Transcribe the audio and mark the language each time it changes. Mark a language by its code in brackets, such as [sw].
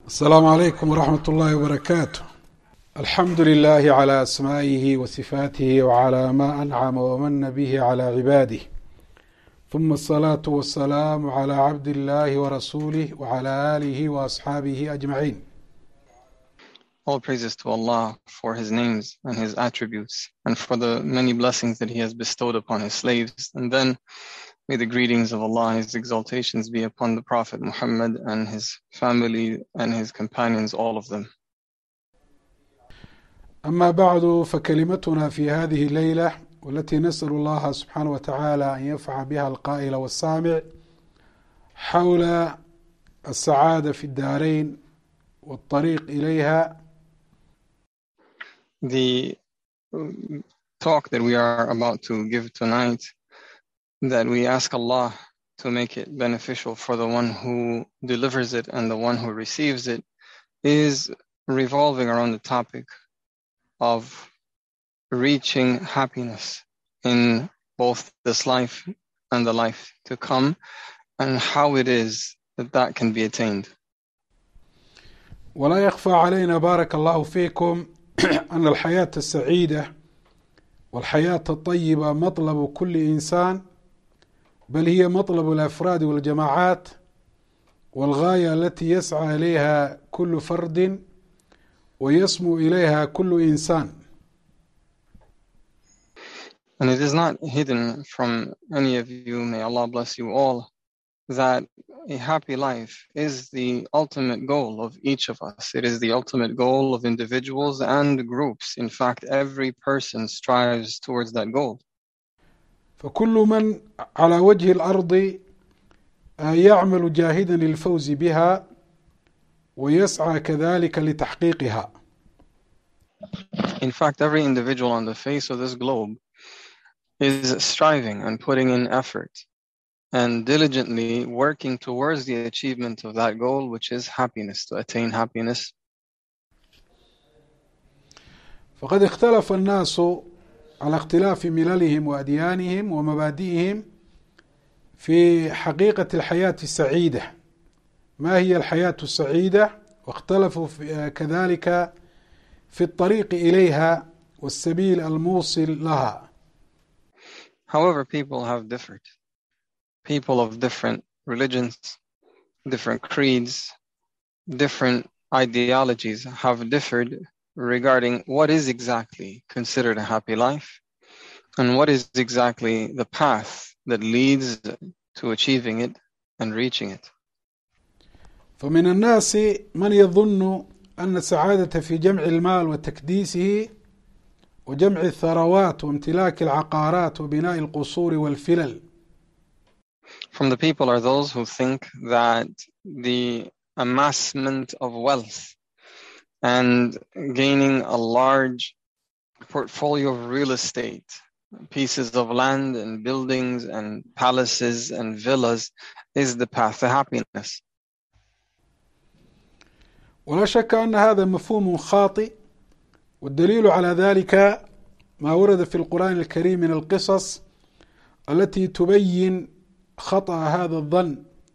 [ar] السلام عليكم ورحمة الله وبركاته. الحمد لله على أسمائه وصفاته وعلى ما أنعم ومن به على عباده، ثم الصلاة والسلام على عبد الله ورسوله وعلى آله وأصحابه أجمعين. [en] All praises to Allah for His names and His attributes and for the many blessings that He has bestowed upon His slaves. And then may the greetings of Allah and His exaltations be upon the Prophet Muhammad and his family and his companions, all of them. [ar] أما بعد فكلمتنا في هذه الليلة والتي نسأل الله سبحانه وتعالى أن ينفع بها القائل والسامع حول السعادة في الدارين والطريق إليها. [en] The talk that we are about to give tonight, that we ask Allah to make it beneficial for the one who delivers it and the one who receives it, is revolving around the topic of reaching happiness in both this life and the life to come, and how it is that that can be attained. [ar] ولا يخفى علينا بارك الله فيكم أن الحياة السعيدة والحياة الطيبة مطلب كل إنسان، بل هي مطلب الأفراد والجماعات والغاية التي يسعى إليها كل فرد ويسمو إليها كل إنسان. [en] And it is not hidden from any of you, may Allah bless you all, that a happy life is the ultimate goal of each of us. It is the ultimate goal of individuals and groups. In fact, every person strives towards that goal. [ar] فكل من على وجه الأرض يعمل جاهدا للفوز بها ويسعى كذلك لتحقيقها. [en] In fact, every individual on the face of this globe is striving and putting in effort and diligently working towards the achievement of that goal, which is happiness, to attain happiness. [ar] فقد اختلف الناس على اختلاف مللهم وأديانهم ومبادئهم في حقيقة الحياة السعيدة. ما هي الحياة السعيدة؟ واختلفوا كذلك في الطريق إليها والسبيل الموصل لها. [en] However, people have differed. People of different religions, different creeds, different ideologies have differed regarding what is exactly considered a happy life and what is exactly the path that leads to achieving it and reaching it. [ar] فمن الناس من يظن أن السعادة في جمع المال وتكديسه وجمع الثروات وامتلاك العقارات وبناء القصور والفلل. [en] From the people are those who think that the amassment of wealth and gaining a large portfolio of real estate, pieces of land and buildings and palaces and villas, is the path to happiness. [ar] ولا شك أن هذا مفهوم خاطئ، والدليل على ذلك ما ورد في القرآن الكريم من القصص التي تبين خطأ هذا الظن.